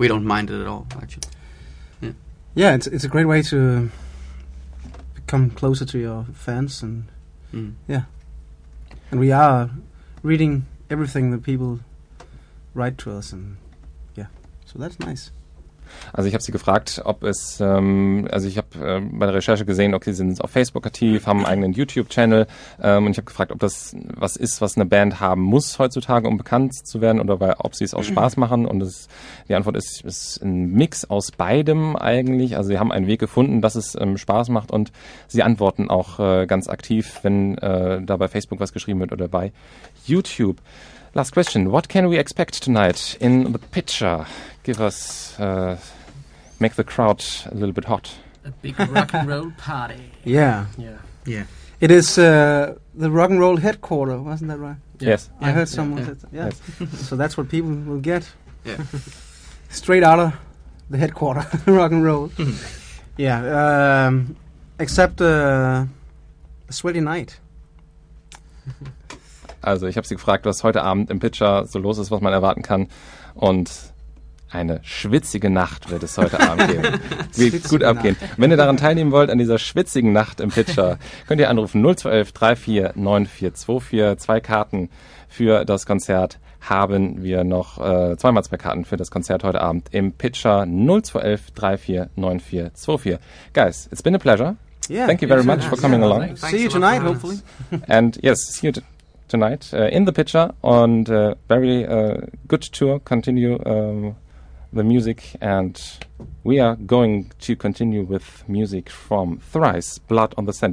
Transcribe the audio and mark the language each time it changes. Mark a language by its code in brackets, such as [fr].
[en] we don't mind it at all. Actually. Yeah. Yeah. It's a great way to become closer to your fans and. Mm. Yeah, and we are reading everything that people write to us, and yeah, so that's nice. [de] Also ich habe sie gefragt, ob es, also ich habe bei der Recherche gesehen, okay, sie sind auf Facebook aktiv, haben einen eigenen YouTube-Channel, und ich habe gefragt, ob das was ist, was eine Band haben muss heutzutage, um bekannt zu werden, oder ob sie es auch Spaß machen, und das, die Antwort ist, es ist ein Mix aus beidem eigentlich, also sie haben einen Weg gefunden, dass es Spaß macht, und sie antworten auch ganz aktiv, wenn da bei Facebook was geschrieben wird oder bei YouTube. [en] Last question, what can we expect tonight in the picture? Give us, make the crowd a little bit hot. A big rock and roll party. Yeah. Yeah. Yeah. It is the rock and roll headquarter, wasn't that right? Yeah. Yes. Yeah. I heard someone said that. Yeah. So that's what people will get. Yeah. Straight out of the headquarter, rock and roll. Mm-hmm. Yeah. Except a sweaty night. [de] Also ich habe sie gefragt, was heute Abend im Pitcher so los ist, was man erwarten kann. Und eine schwitzige Nacht wird es heute Abend geben. Wird gut abgehen. Nacht. Wenn ihr daran teilnehmen wollt, an dieser schwitzigen Nacht im Pitcher, könnt ihr anrufen 0211 34 94 24. Zwei Karten für das Konzert haben wir noch. Zweimal zwei Karten für das Konzert heute Abend im Pitcher 0211 34 94 24. [en] Guys, it's been a pleasure. Yeah, thank you very much for coming along. Thanks. See you tonight, hopefully. And yes, see you tonight in the picture, and very good tour. Continue the music, and we are going to continue with music from Thrice, Blood on the Sand.